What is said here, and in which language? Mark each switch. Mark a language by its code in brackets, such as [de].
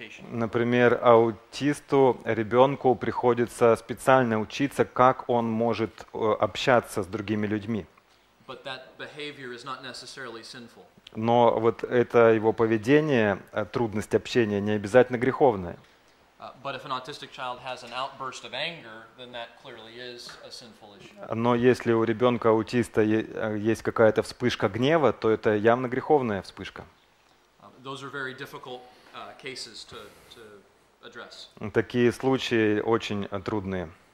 [ru] Например, аутисту, ребенку приходится специально учиться, как он может общаться с другими людьми. [en] But that behavior is not necessarily sinful. [ru] Но вот это его поведение, трудность общения, не обязательно греховное. [en] But if an autistic child has an outburst of anger, then that clearly is a sinful issue. [ru] Но если у ребенка аутиста есть какая-то вспышка гнева, то это явно греховная вспышка. [en] Those are very difficult cases to address. [ru] Такие случаи очень трудные.